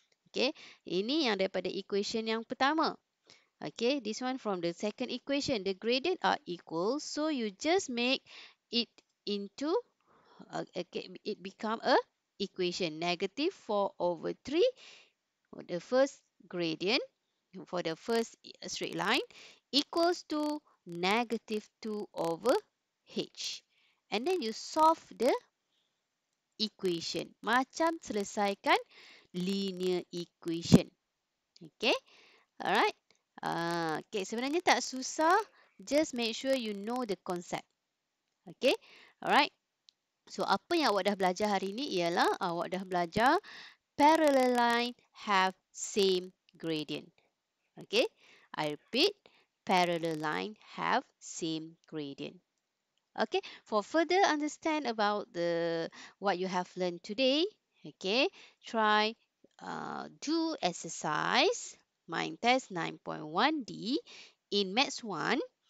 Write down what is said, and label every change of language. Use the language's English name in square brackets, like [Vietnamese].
[Malay] Okay, ini yang daripada equation yang pertama. [English] Okay, this one from the second equation. The gradient are equal. So, you just make it into, it become a equation. Negative 4 over 3 for the first gradient, for the first straight line, equals to negative 2 over h. And then you solve the equation. [Malay] Macam selesaikan linear equation. Okay. Alright. Okay. Sebenarnya tak susah. [English] Just make sure you know the concept. Okay. Alright. [Malay] So, apa yang awak dah belajar hari ini ialah awak dah belajar [English] parallel line have same gradient. Okay. I repeat. Parallel line have same gradient. Okay, for further understand about the what you have learned today, okay, try do exercise mind test 9.1D in Maths 1.